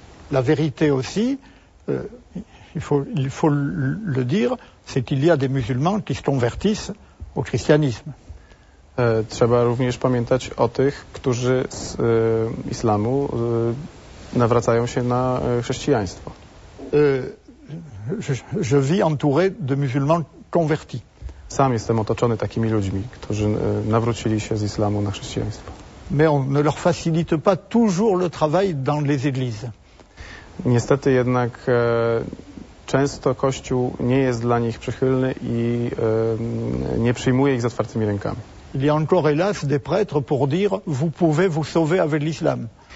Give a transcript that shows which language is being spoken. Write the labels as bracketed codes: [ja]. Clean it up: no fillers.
[fr] La vérité aussi, il faut le dire, c'est qu'il y a des musulmans qui se convertissent au christianisme. [pl] Trzeba również pamiętać o tych, którzy z islamu nawracają się na chrześcijaństwo. [fr] Je vis entouré de musulmans convertis. [pl] Sam jestem otoczony takimi ludźmi, którzy nawrócili się z islamu na chrześcijaństwo. [fr] Mais on ne leur facilite pas toujours le travail dans les églises. [pl] Niestety jednak często Kościół nie jest dla nich przychylny i nie przyjmuje ich z otwartymi rękami. [fr] Il y a encore hélas des prêtres pour dire vous pouvez vous sauver avec l'islam.